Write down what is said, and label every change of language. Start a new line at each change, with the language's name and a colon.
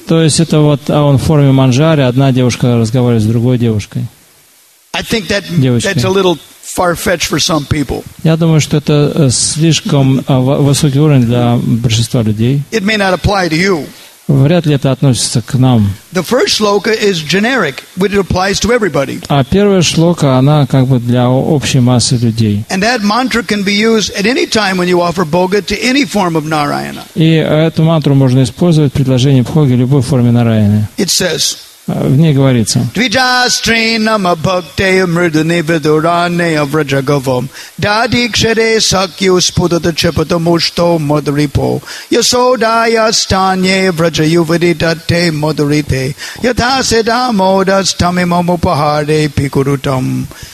Russian: То есть это вот, а он в форме манджари, одна девушка разговаривает с другой девушкой.
English: I think that's a little far-fetched for some people.
Russian: Я думаю, что это слишком высокий уровень для большинства людей.
English: It may not apply to you.
Russian: Вряд ли это относится к нам.
English: The first shloka is generic, but it applies to everybody.
Russian: А первая шлока, она как бы для общей массы людей.
English: And that mantra can be used at any time when you offer Boga to any form of Narayana.
Russian: И эту мантру можно использовать в предложении Бхоги любой форме Нараяны.
English: It says,
Russian: в ней говорится,
Sanskrit: Dvijastri nama bhakte mridhani vidurane avrajagavam dadikshade sakyu spudata chepata mushto madripo yasodaya stanye vrajayuvati date madurite yathasedamodas tamimamupahade pikurutam.